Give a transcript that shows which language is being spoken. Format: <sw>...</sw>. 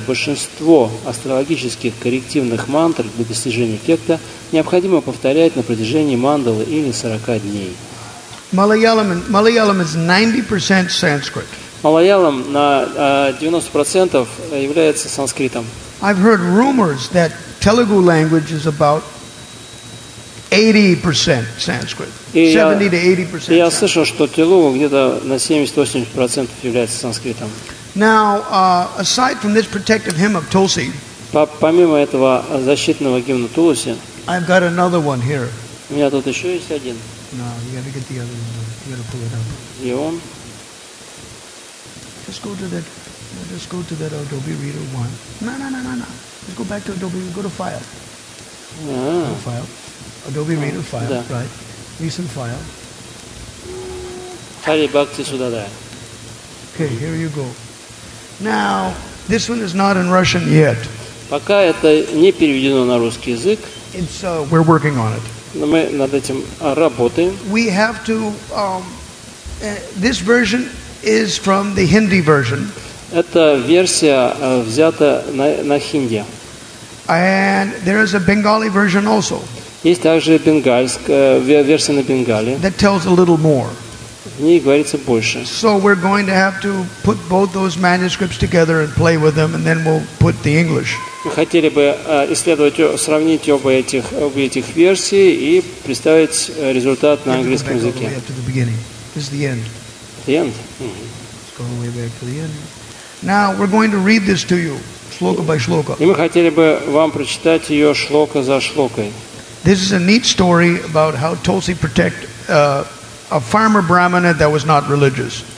<ru>Большинство астрологических коррективных мантр для достижения эффекта необходимо повторять на протяжении мандалы или 40 дней.</ru> <en>Malayalam is 90% Sanskrit.</en> <ru>Малаялам на 90% является санскритом.</ru> <en>I've heard rumors that Telugu language is about 80% Sanskrit. 70-80%.</en> <ru>Я слышал, что Телугу где-то на 70-80% является санскритом.</ru> <en>Now, aside from this protective hymn of Tulsi,</en> <ru>помимо этого защитного гимна Тулси,</ru> <en>I've got another one here.</en> <ru>У меня тут еще есть один.</ru> <en>No, you gotta get the other one. You gotta pull it up.</en> <ru>И он?</ru> <en>Just go to that Adobe Reader one. No. Just go back to Adobe. Go to file. Go to file. Adobe Reader file.</en> <ru>Да.</ru> <en>Right. Recent file. Hurry back to</en> <ru>сюда, да.</ru> <en>Okay, here you go. Now, this one is not in Russian yet.</en> <ru>Пока это не переведено на русский язык.</ru> <en>It's we're working on it.</en> <ru>Но мы над этим работаем.</ru> <en>We have to. This version is from the Hindi version.</en> <ru>Эта версия взята на хинди.</ru> <en>And there is a Bengali version also.</en> <ru>Есть также бенгальская версия на бенгали.</ru> <en>That tells a little more.</en> <ru>В ней говорится больше.</ru> <en>So we're going to have to put both those manuscripts together and play with them, and then we'll put the English.</en> <ru>Мы хотели бы исследовать, сравнить оба этих версии и представить результат на английском языке.</ru> <en>This is the end. Let's go all the way back to the end. Now we're going to read this to you, shloka by shloka.</en> <ru>И мы хотели бы вам прочитать ее шлока за шлокой.</ru> <en>This is a neat story about how Tulsi protect a farmer brahmana that was not religious.</en>